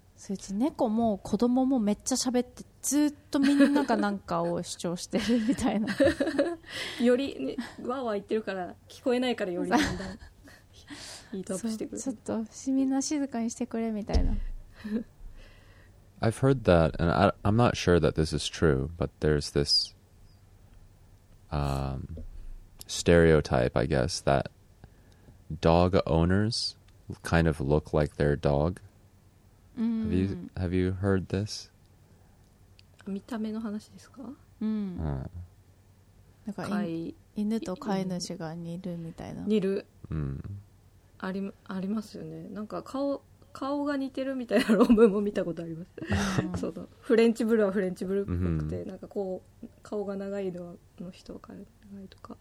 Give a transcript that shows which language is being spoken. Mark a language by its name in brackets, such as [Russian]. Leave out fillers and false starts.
[Japanese] そいつ猫も子供もめっちゃ喋ってずっとみんながなんかを主張してるみたいなより、ね、わーわー言ってるから聞こえないからよりだんだんヒートアップしてくるちょっとみんな静かにしてくれみたいな [English] I've heard that and I'm not sure that this is true but there's this stereotype I guess that dog owners kind of look like their dogHave you heard this? [Japanese] 見た目の話ですか？なんか犬と飼い主が似るみたいな。似る。ありますよね。なんか顔が似てるみたいな論文も見たことあります。そのフレンチブルはフレンチブルっぽくて、なんかこう顔が長いのはの人が長いとか。